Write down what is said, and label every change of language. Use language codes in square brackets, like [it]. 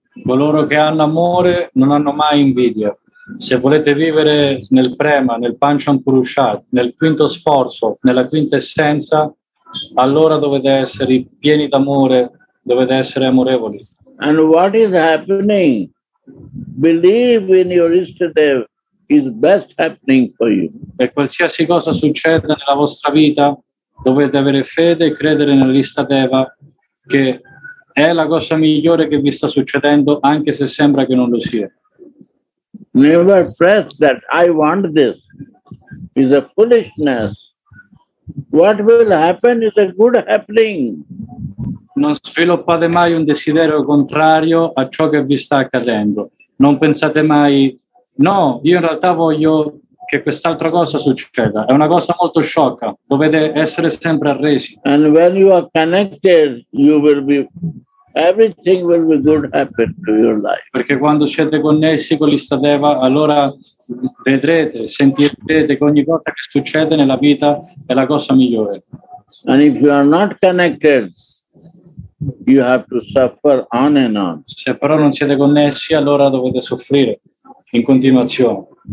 [it] Coloro che hanno amore non hanno mai invidia. Se volete vivere nel prema, nel Pancham Purushad, nel quinto sforzo, nella quinta essenza, allora dovete essere pieni d'amore, dovete essere amorevoli. [en] And what is happening? Believe in your Ishtadev is best happening for you. [it] E qualsiasi cosa succeda nella vostra vita, dovete avere fede e credere nell'Ishtadeva che è la cosa migliore che vi sta succedendo, anche se sembra che non lo sia. [en] Never press that I want this. It's a foolishness. What will happen is a good happening. [it] Non sviluppate mai un desiderio contrario a ciò che vi sta accadendo. Non pensate mai, no, io in realtà voglio che quest'altra cosa succeda. È una cosa molto sciocca. Dovete essere sempre arresi. [en] And when you are connected, you will be... Everything will be good happen to your life. [it] Perché quando siete connessi con l'Ishtadeva, allora vedrete, sentirete che ogni cosa che succede nella vita è la cosa migliore. [en] And if you are not connected, you have to suffer on and on. [it] Se però non siete connessi, allora dovete soffrire in continuazione.